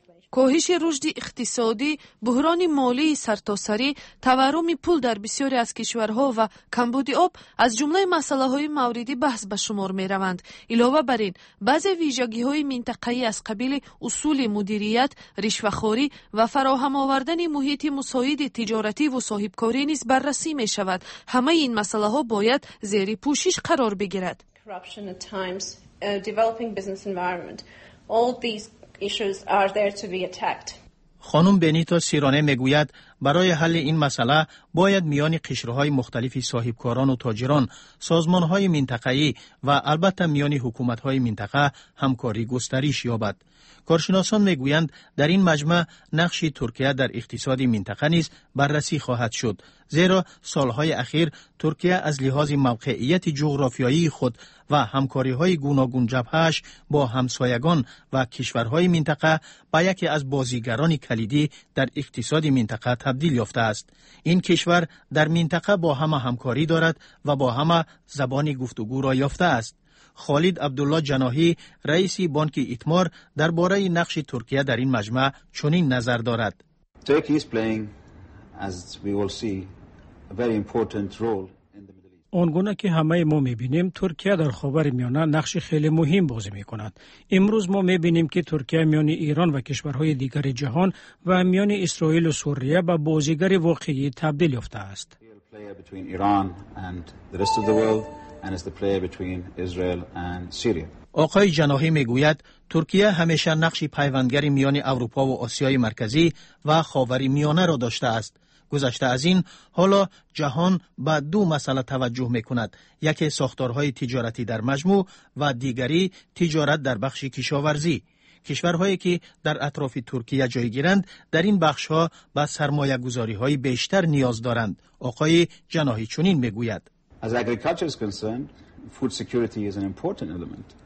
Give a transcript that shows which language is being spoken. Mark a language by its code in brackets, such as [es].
[fa] کاهش رشد اقتصادی، بحران مالی سرتاسری، تورم پول در بسیاری از کشورها و کمبود آب از جمله مسئله های موردی بحث به شمار می روند. علاوه بر این، بعضی ویژگی های منطقه‌ای از قبیل اصول مدیریت، رشوه‌خوری و فراهم آوردن محیط مساعد تجارتی و صاحبکاری نیز بررسی می شود. همه این مسئله ها باید زیر پوشش قرار بگیرد. [en] Corruption at times, developing business environment. All these issues are there to be attacked. [fa] خانم بنیتو سیرونه میگوید برای حل این مسئله باید میان قشرهای مختلف صاحبکاران و تاجران، سازمانهای منطقه‌ای و البته میان حکومت‌های منطقه همکاری گسترش یابد. کارشناسان میگویند در این مجمع نقش ترکیه در اقتصاد منطقه نیز بررسی خواهد شد، زیرا سالهای اخیر ترکیه از لحاظ موقعیت جغرافیایی خود و همکاری‌های گوناگون جبهه‌اش با همسایگان و کشورهای منطقه به یکی از بازیگران کلیدی در اقتصاد منطقه تبدیل یافته است. این کشور در منطقه با همه همکاری دارد و با همه زبانی گفتگو را یافته است. خالد عبدالله جناحی رئیس بانک ایتمار درباره نقش ترکیه در این مجمع چنین نظر دارد. [en] Turkey is playing, as we will see, a very important role. [fa] آنگونه که همه ما میبینیم ترکیه در خاور میانه نقش خیلی مهم بازی میکند. امروز ما میبینیم که ترکیه میان ایران و کشورهای دیگر جهان و میان اسرائیل و سوریه به بازیگر واقعی تبدیل یافته است. آقای جناحی میگوید ترکیه همیشه نقش پیوندگر میان اروپا و آسیای مرکزی و خاور میانه را داشته است. گذشته از این، حالا جهان به دو مسئله توجه میکند، یکی ساختارهای تجارتی در مجموع و دیگری تجارت در بخش کشاورزی. کشورهایی که در اطراف ترکیه جایگیرند در این بخش ها به سرمایه گذاری های بیشتر نیاز دارند. آقای جناحی چنین میگوید: [en] As agriculture is concerned, food security is an important element.